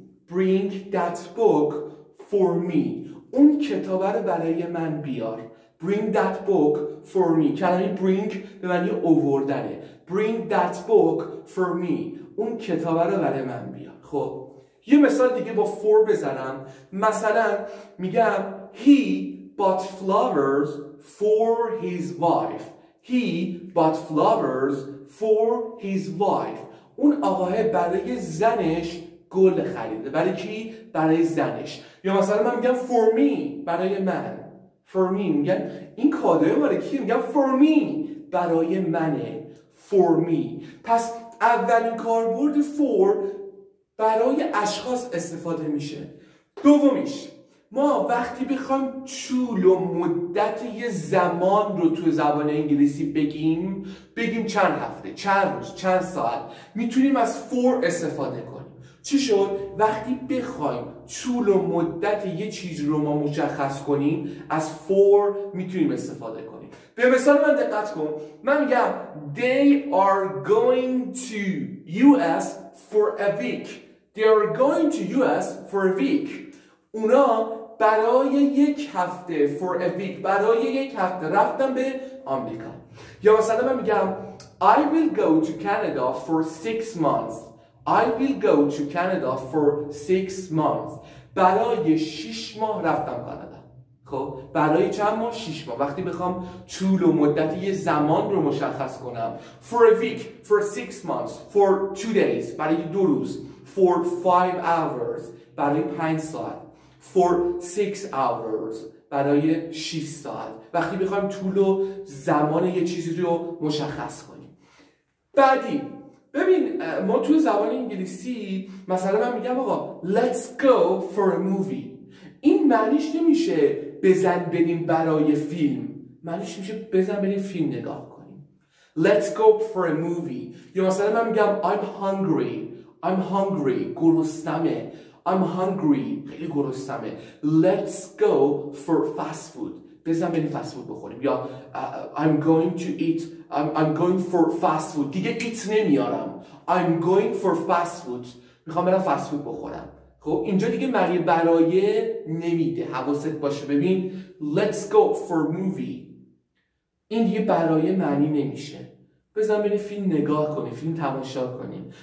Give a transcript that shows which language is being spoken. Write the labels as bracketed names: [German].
[English] Bring that book for me. [Persian] اون کتاب رو برای من بیار. [English] Bring that book for me. [Persian] کلمه bring به معنی آوردنه. [English] Bring that book for me. [Persian] اون کتاب رو برای من بیار. خب یه مثال دیگه با فور بزنم. مثلا میگم [English] He bought flowers for his wife. He bought flowers for his wife. [Persian] اون آقاه برای زنش گل خریده. برای کی؟ برای زنش. یا مثلا من میگم [English] for me، [Persian] برای من. [English] For me [Persian] میگن این کادوی برای کی؟ میگم [English] for me، [Persian] برای منه. [English] For me. [Persian] پس اولین کاربرد for برای اشخاص استفاده میشه. دومیش، ما وقتی بخوایم طول و مدت یه زمان رو تو زبان انگلیسی بگیم چند هفته، چند روز، چند ساعت، میتونیم از فور استفاده کنیم. چی شد؟ وقتی بخوایم طول و مدت یه چیز رو ما مشخص کنیم، از فور میتونیم استفاده کنیم. به مثال من دقت کن، من میگم [English] They are going to US for a week. They are going to US for a week. [Persian] اونا برای یک هفته، for a week، برای یک هفته رفتن به آمریکا. یا مثلا من میگم [English] I will go to Canada for 6 months. I will go to Canada for 6 months. [Persian] برای 6 ماه رفتم کانادا. خب برای چند ماه؟ 6 ماه. وقتی بخوام طول و مدت یه زمان رو مشخص کنم، [English] for a week، for 6 months، for 2 days، [Persian] برای 2 روز، [English] for 5 hours، [Persian] برای 5 ساعت، [English] for 6 hours، [Persian] برای 6 ساعت. وقتی بخوایم طول و زمان یه چیزی رو مشخص کنیم. بعدی، ببین ما تو زبان انگلیسی مثلا من میگم آقا [English] let's go for a movie، [Persian] این معنیش نمیشه بزن بریم برای فیلم، معنیش میشه بزن بریم فیلم نگاه کنیم. [English] let's go for a movie. [Persian] یا مثلا من میگم [English] I'm hungry، [Persian] گرسنمه. I'm hungry، خیلی گرسنمه. [English] Let's go for fast food. [Persian] بزن بریم fast food بخوریم. یا [English] I'm going to eat. I'm going for fast food. [Persian] دیگه eat نمیارم. [English] I'm going for fast food. [Persian] میخوام برم fast food بخورم. خب اینجا دیگه معنی برای نمیده. حواست باشه ببین. [English] Let's go for movie. [Persian] این دیگه برای معنی نمیشه. بزن بریم فیلم نگاه کنیم، فیلم تماشا کنیم.